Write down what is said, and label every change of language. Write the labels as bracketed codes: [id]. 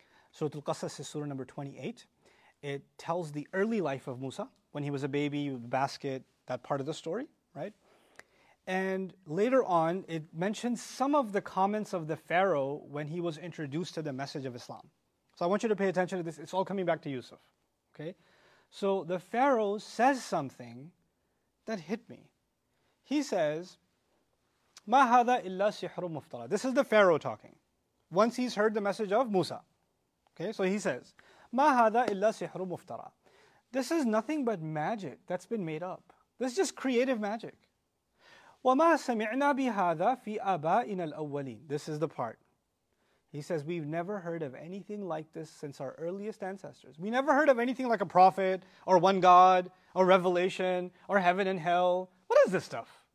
[en] Surah Al-Qasas is surah number 28. It tells the early life of Musa, when he was a baby, with the basket, that part of the story, right? And later on, it mentions some of the comments of the Pharaoh when he was introduced to the message of Islam. So I want you to pay attention to this. It's all coming back to Yusuf, okay? So the Pharaoh says something that hit me. He says, [ar] مَا هَذَا إِلَّا سِحْرُ مُفْتَرَى. [en] This is the Pharaoh talking. Once he's heard the message of Musa. Okay, so he says, [ar] مَا هَذَا إِلَّا سِحْرُ مُفْتَرَى. [en] This is nothing but magic that's been made up. This is just creative magic. [ar] وَمَا سَمِعْنَا بِهَذَا فِي أَبَائِنَا الْأَوَّلِينَ. [en] This is the part. He says, we've never heard of anything like this since our earliest ancestors. We never heard of anything like a prophet, or one God, or revelation, or heaven and hell. What is this stuff?